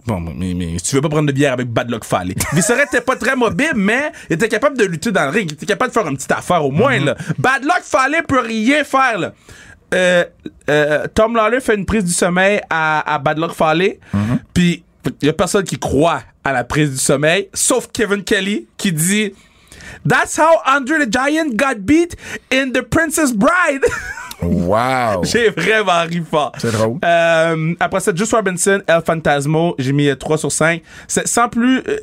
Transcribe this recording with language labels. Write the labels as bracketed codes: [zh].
[fr] Bon, mais tu veux pas prendre de bière avec Bad Luck Fale. Viscera était pas très mobile, mais il était capable de lutter dans le ring. Il était capable de faire une petite affaire au moins, mm-hmm. là. Bad Luck Fale peut rien faire, là. Tom Lawler fait une prise du sommeil à Bad Luck Fale. Mm-hmm. Puis, il y a personne qui croit à la prise du sommeil, sauf Kevin Kelly, qui dit... [en] That's how Andre the Giant got beat in The Princess Bride. Wow. [fr] J'ai vraiment ri fort. C'est drôle. Après ça, Juice Robinson, El Fantasmo, j'ai mis 3 sur 5. C'est sans plus.